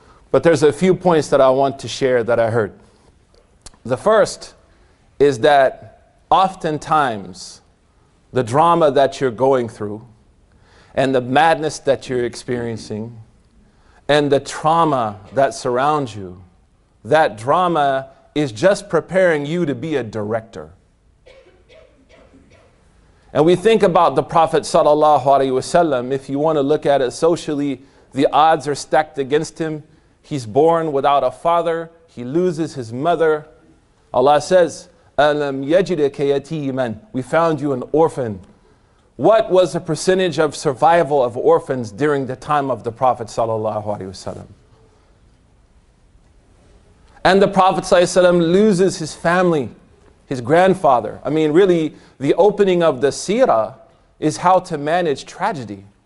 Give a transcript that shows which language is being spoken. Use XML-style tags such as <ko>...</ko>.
<en>But there's a few points that I want to share that I heard. The first is that oftentimes, the drama that you're going through and the madness that you're experiencing and the trauma that surrounds you, that drama is just preparing you to be a director. And we think about the Prophet sallallahu alaihi wasallam. If you want to look at it socially, the odds are stacked against him. He's born without a father. He loses his mother. Allah says,</en> <ar>أَلَمْ يَجِدَكَ يَتِيمًا.</ar> <en>We found you an orphan. What was the percentage of survival of orphans during the time of the Prophet sallallahu alaihi wasallam? And the Prophet sallallahu alaihi wasallam loses his family, his grandfather. I mean, really, the opening of the seerah is how to manage tragedy.</en>